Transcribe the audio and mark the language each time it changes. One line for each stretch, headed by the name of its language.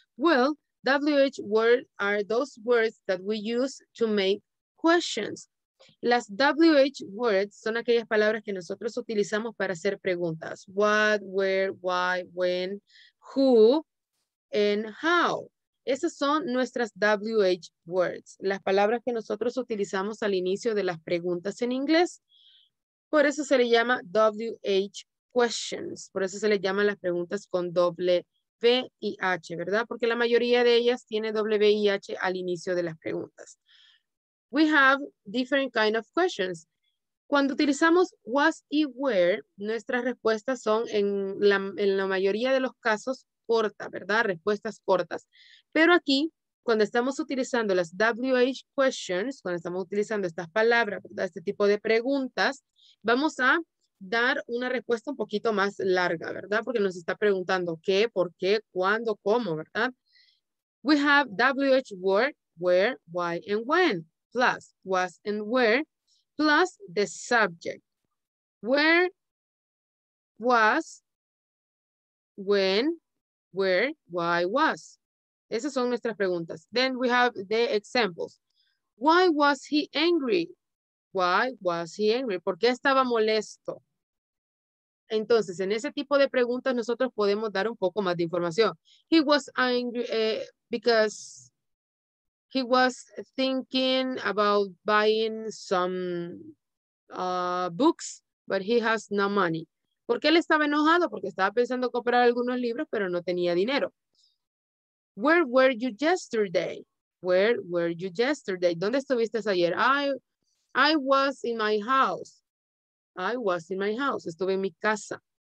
English: Well, WH words are those words that we use to make questions.
Spanish: Las WH words son aquellas palabras que nosotros utilizamos para hacer preguntas.
English: What, where, why, when, who, and how.
Spanish: Esas son nuestras WH words, las palabras que nosotros utilizamos al inicio de las preguntas en inglés. Por eso se le llama WH questions, por eso se le llaman las preguntas con doble V y H, ¿verdad? Porque la mayoría de ellas tiene W y H al inicio de las preguntas.
English: We have different kind of questions.
Spanish: Cuando utilizamos was y where, nuestras respuestas son en la mayoría de los casos cortas, ¿verdad? Respuestas cortas. Pero aquí, cuando estamos utilizando las WH questions, cuando estamos utilizando estas palabras, ¿verdad? Este tipo de preguntas, vamos a dar una respuesta un poquito más larga, ¿verdad? Porque nos está preguntando qué, por qué, cuándo, cómo, ¿verdad?
English: We have WH word, where, why, and when, plus was and where, plus the subject. Where, was, when, where, why, was.
Spanish: Esas son nuestras preguntas.
English: Then we have the examples. Why was he angry? Why was he angry?
Spanish: ¿Por qué estaba molesto? Entonces, en ese tipo de preguntas nosotros podemos dar un poco más de información.
English: He was angry because he was thinking about buying some books, but he has no money.
Spanish: ¿Por qué él estaba enojado? Porque estaba pensando comprar algunos libros, pero no tenía dinero.
English: Where were you yesterday? Where were you yesterday?
Spanish: ¿Dónde estuviste ayer?
English: I was in my house. I was in my house.
Spanish: Estuve en mi casa.